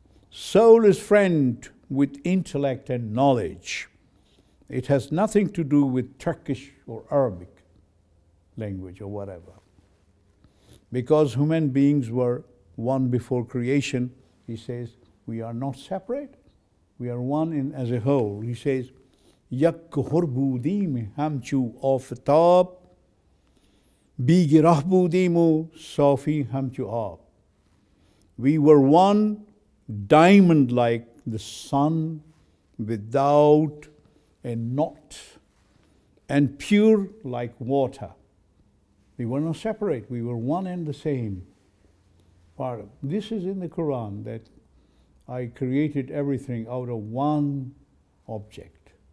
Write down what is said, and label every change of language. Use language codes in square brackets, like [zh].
[en] Soul is friend with intellect and knowledge. It has nothing to do with Turkish or Arabic language or whatever. Because human beings were one before creation, he says, we are not separate. We are one in as a whole. He says, [fa] یک گهر بودیم همچو آفتاب بی گره بودیم و صافی همچو آب. [en] We were one diamond like the sun without a knot and pure like water. We were not separate, we were one and the same. This is in the Quran that I created everything out of one object.